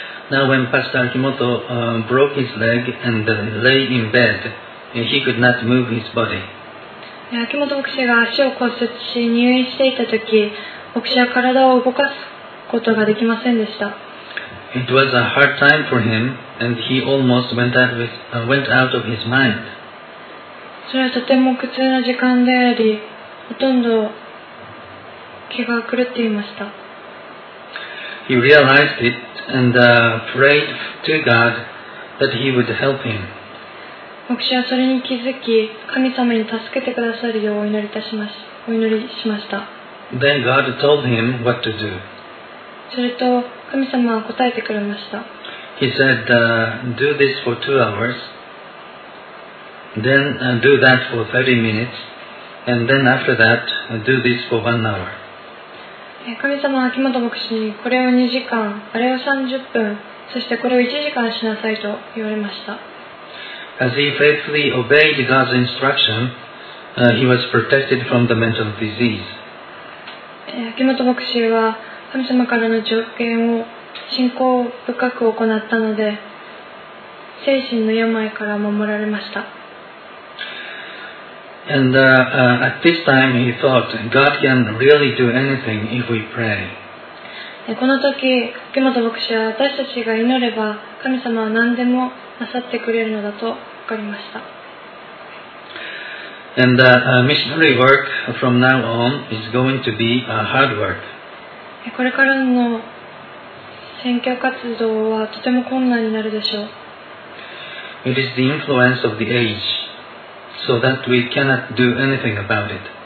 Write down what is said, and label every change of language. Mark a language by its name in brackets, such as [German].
[English] Now when Pastor Akimoto broke his leg and lay in bed, he could not move his body. [Japanese] 秋元牧師が足を骨折し入院していた時、牧師は体を動かすことができませんでした。 [English] It was a hard time for him, and he almost went out of his mind. [Japanese] それはとても苦痛な時間であり、ほとんど気が狂っていました。 [English] He realized it and prayed to God that He would help him. [Japanese] 牧師はそれに気づき、神様に助けてくださるようお祈りしました。 [English] Then God told him what to do. [Japanese] すると神様は答えてくれました。 [English] He said, "Do this for 2 hours." Then do that for 30 minutes, and then after that, do this for 1 hour. [Japanese] 神様は秋元牧師にこれを2時間、あれを30分、そしてこれを1時間しなさいと言われました。 [English] As he faithfully obeyed God's instruction, he was protected from the mental disease. [Japanese] 秋元牧師は神様からの助言を信仰深く行ったので、精神の病から守られました。 [English] And at this time, he thought God can really do anything if we pray. [Japanese] この時、秋元牧師は私たちが祈れば神様は何でもなさってくれるのだと分かりました。 [English] And missionary work from now on is going to be a hard work. [Japanese] これからの宣教活動はとても困難になるでしょう。 [English] It is the influence of the age. So that we cannot do anything about it.